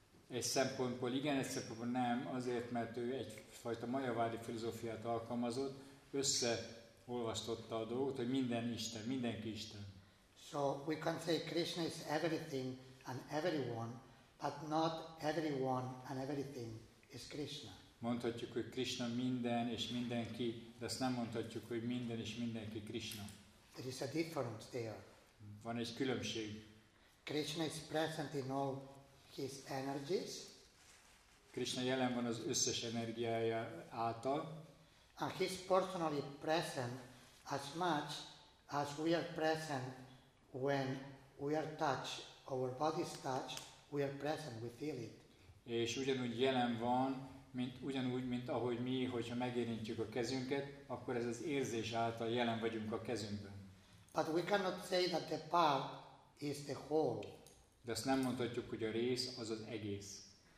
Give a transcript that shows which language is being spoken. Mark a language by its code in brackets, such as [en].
[hu] Egy szempontból igen, egy szempontból nem, azért, mert ő egyfajta Mayavadi filozófiát alkalmazott, összeolvasztotta a dolgot, hogy minden Isten, mindenki Isten. [en] So we can say Krishna is everything and everyone, but not everyone and everything is Krishna. [hu] Mondhatjuk, hogy Krishna minden és mindenki, de azt nem mondhatjuk, hogy minden és mindenki Krishna. [en] There is a difference there. [hu] Van egy különbség. [en] Krishna is present in all his energies. [hu] Krishna jelen van az összes energiája által. [en] And he is personally present as much as we are present when we are touched. Our body is touched, we are present, we feel it. [hu] És ugyanúgy jelen van, mint ugyanúgy, mint ahogy mi, hogyha megérintjük a kezünket, akkor ez az érzés által jelen vagyunk a kezünkben. [en] But we cannot say that the part is the whole. [hu] De azt nem mondhatjuk, hogy a rész az az egész.